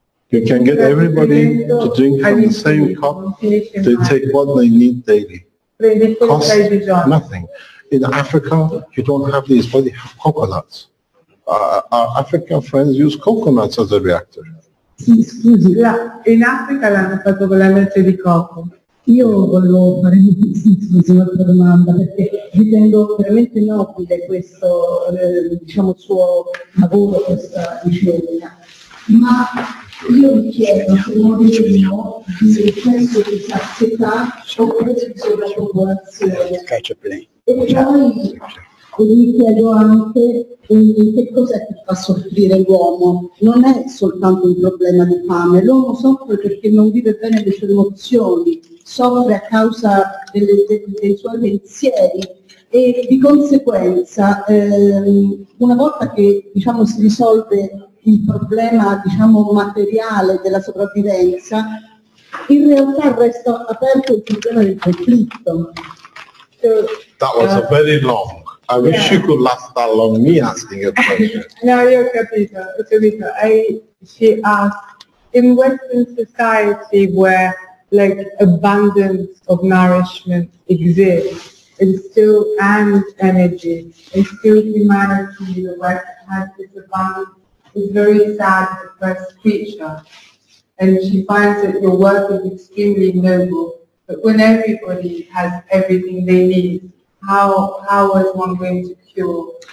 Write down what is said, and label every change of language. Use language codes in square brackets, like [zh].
[en] You can get everybody to drink from the same cup. They take what they need daily. Cost nothing. In Africa, you don't have these, but you have coconuts. Our African friends use coconuts as a reactor. In Africa, they have [it] fatto con la noce di cocco. Io volevo fare un'ultima domanda perché ritengo veramente nobile questo diciamo suo lavoro, questa ricerca. Ma io mi chiedo, secondo me, se questo di sazietà o questo di sovrappopolazione. E poi mi chiedo anche che cos'è che fa soffrire l'uomo. Non è soltanto un problema di fame, l'uomo soffre perché non vive bene le sue emozioni. Soffre a causa dei suoi pensieri e di conseguenza una volta che diciamo, si risolve il problema diciamo, materiale della sopravvivenza, in realtà resta aperto il problema del conflitto. [en] That was a very long. I wish you could last that long me asking a question. [it] No, io ho capito. [en] She asked, in Western society where like abundance of nourishment exists and still and energy and still humanity in the West has this abundance is very sad depressed creature and she finds that your work is extremely noble but when everybody has everything they need how is one going to cure